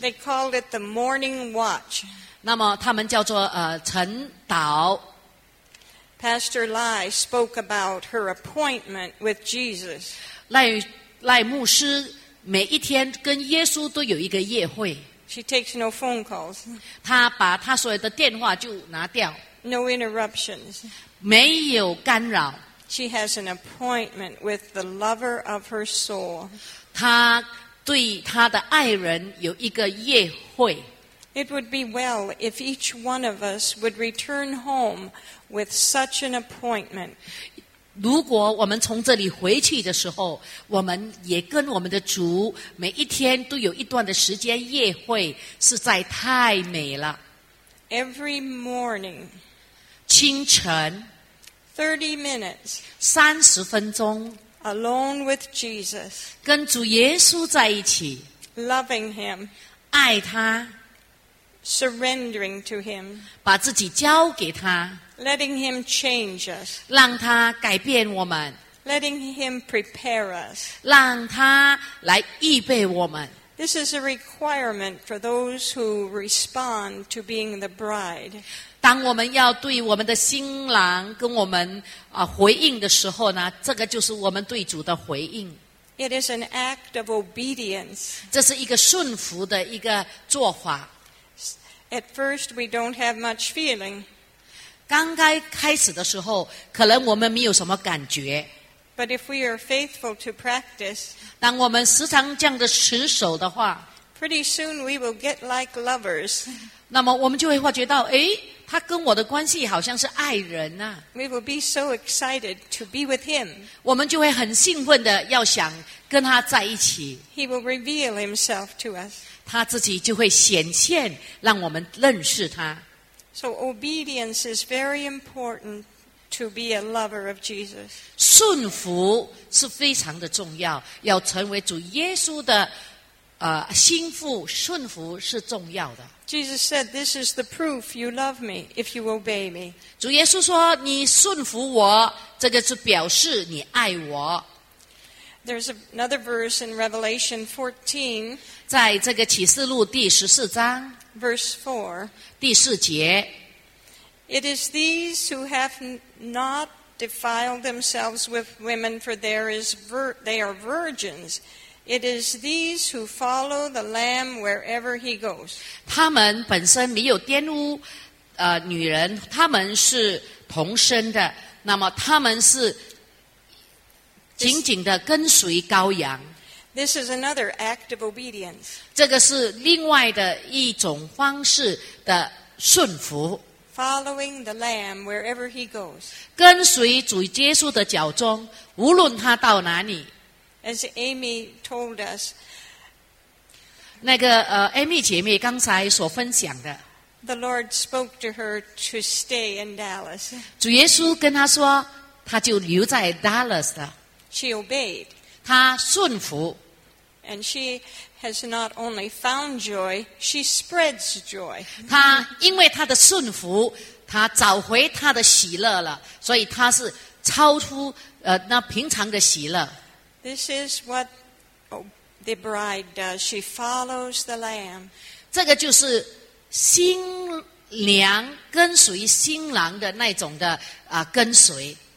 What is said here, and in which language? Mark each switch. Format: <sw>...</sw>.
<en>They called it the morning watch.</en> <zh>那么他们叫做晨祷。</zh> <en>Pastor Lai spoke about her appointment with Jesus.</en> <zh>赖牧师每一天跟耶稣都有一个夜会。</zh> <en>She takes no phone calls.</en> <zh>他把他所有的电话就拿掉。</zh> <en>No interruptions.</en> <zh>没有干扰。</zh> <en>She has an appointment with the lover of her soul.</en> <zh>她对她的爱人有一个约会。</zh> <en>It would be well if each one of us would return home with such an appointment.</en> <zh>如果我们从这里回去的时候，我们也跟我们的主每一天都有一段的时间约会，实在太美了。</zh> <en>Every morning.</en> <zh>清晨。</zh> <en>30 minutes.</en> <zh>30分钟。</zh> <en>Alone with Jesus.</en> <zh>跟主耶稣在一起。</zh> <en>Loving him.</en> <zh>爱他。</zh> <en>Surrendering to him.</en> <zh>把自己交给他。</zh> <en>Letting him change us.</en> <zh>让他改变我们。</zh> <en>Letting him prepare us.</en> <zh>让他来预备我们。</zh> <en>This is a requirement for those who respond to being the bride.</en> <zh>当我们要对我们的新郎跟我们回应的时候呢，这个就是我们对主的回应。</zh> <en>It is an act of obedience.</en> <zh>这是一个顺服的一个做法。</zh> <en>At first, we don't have much feeling.</en> <zh>刚开始的时候，可能我们没有什么感觉。</zh> <en>But if we are faithful to practice,</en> <zh>当我们时常这样的持守的话，</zh> <en>pretty soon we will get like lovers.</en> <zh>那么我们就会发觉到，哎，他跟我的关系好像是爱人啊。</zh> <en>We will be so excited to be with him.</en> <zh>我们就会很兴奋的要想跟他在一起。</zh> <en>He will reveal himself to us.</en> <zh>他自己就会显现，让我们认识他。</zh> <en>So obedience is very important. To be a lover of Jesus.</en> <zh>顺服是非常的重要，要成为主耶稣的心腹，顺服是重要的。</zh> <en>Jesus said, "This is the proof you love me if you obey me."</en> <zh>主耶稣说，你顺服我，这个是表示你爱我。</zh> <en>There's another verse in Revelation 14.</en> <zh>在这个启示录第十四章</zh> <en>，verse 4,</en> <zh>第四节。</zh> <en>It is these who have not defiled themselves with women, for they are virgins. It is these who follow the Lamb wherever he goes.</en> <zh>他们本身没有玷污女人，他们是童身的，那么他们是紧紧的跟随羔羊。</zh> <en>This is another act of obedience.</en> <zh>这个是另外的一种方式的顺服。</zh> <en>Following the Lamb wherever he goes.</en> <zh>跟随主耶稣的脚踪，无论他到哪里。</zh> <en>As Amy told us,</en> <zh>那个Amy 姐妹刚才所分享的。</zh> <en>The Lord spoke to her to stay in Dallas.</en> <zh>主耶稣跟她说，她就留在 Dallas 了。</zh> <en>She obeyed.</en> <zh>她顺服。</zh> <en>And she has not only found joy, she spreads joy.</en> <zh>她因为她的顺服，她找回她的喜乐了，所以她是超出那平常的喜乐。</zh> <en>This is what the bride does. She follows the Lamb.</en> <zh>这个就是新娘跟随新郎的那种的跟随。</zh>